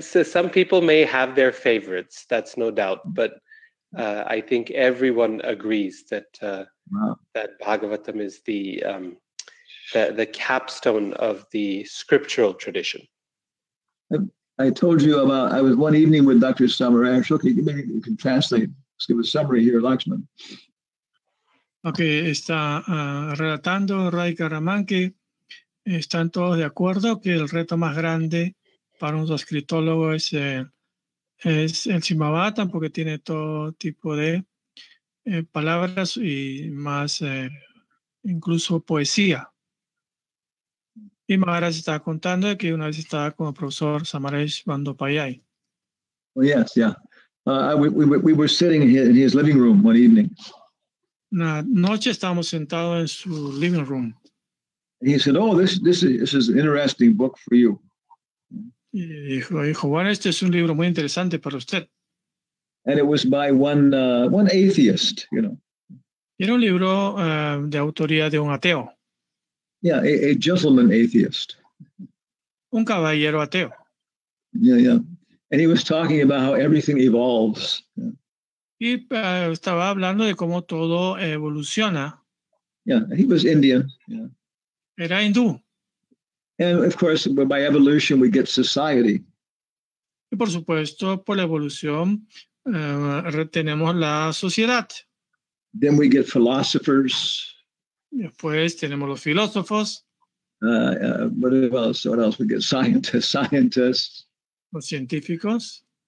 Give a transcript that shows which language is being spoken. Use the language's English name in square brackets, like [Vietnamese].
[English] So some people may have their favorites, that's no doubt, but I think everyone agrees that that Bhagavatam is the capstone of the scriptural tradition. I told you about, I was one evening with Dr. Samaraj. Okay, maybe you can translate. Let's give a summary here, Lakshman. [Spanish] Okay, está relatando Ray Karaman que están todos de acuerdo que el reto más grande para un escritólogo es el Srimad Bhagavatam porque tiene todo tipo de palabras y más incluso poesía. Y Maharaj estaba contando que una vez estaba con el profesor Samaresh Bandopayai. [English] Oh, yes, yeah. We were sitting in his living room one evening. [Spanish] Una noche estábamos sentados en su [English] living room. And he said, "Oh, this is an interesting book for you." [Spanish] Y dijo, bueno, este es un libro muy interesante para usted. [English] And it was by one atheist, you know. [Spanish] Era un libro de autoría de un ateo. [English] Yeah, a gentleman atheist. [Spanish] Un caballero ateo. [English] Yeah, yeah. And he was talking about how everything evolves. Yeah. [Spanish] Y estaba hablando de cómo todo evoluciona. [English] Yeah, he was Indian. Yeah. [Spanish] Era hindú. [English] And of course, by evolution, we get society. [Spanish] Y por supuesto, por la evolución, tenemos la sociedad. [English] Then we get philosophers. [Spanish] Después tenemos los filósofos. [English] What else? We get scientists. [Spanish] Los científicos.